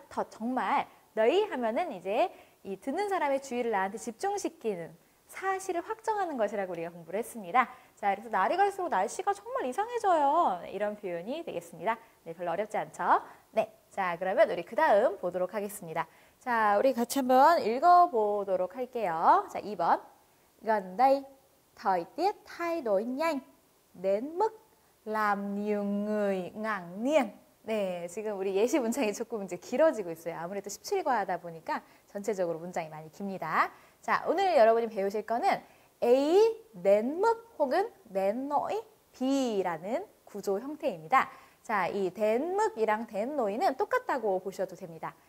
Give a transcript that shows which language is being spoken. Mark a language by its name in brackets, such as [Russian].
[Korean] 더 정말 너희 하면은 이제 이 듣는 사람의 주의를 나한테 집중시키는 사실을 확정하는 것이라고 우리가 공부를 했습니다. 자, 그래서 날이 갈수록 날씨가 정말 이상해져요. 이런 표현이 되겠습니다. 네, 별로 어렵지 않죠? 네, 자, 그러면 우리 그 다음 보도록 하겠습니다. 자, 우리 같이 한번 읽어보도록 할게요. 자, 2번. [Vietnamese] 근데 thời tiết thay đổi nhanh đến mức làm nhiều người ngạc nhiên. [Korean] 네, 지금 우리 예시 문장이 조금 이제 길어지고 있어요. 아무래도 17과 하다 보니까 전체적으로 문장이 많이 깁니다. 자, 오늘 여러분이 배우실 거는 A, 낸 mức 혹은 낸 노이, B라는 구조 형태입니다. 자, 이 낸 mức이랑 낸 노이는 똑같다고 보셔도 됩니다.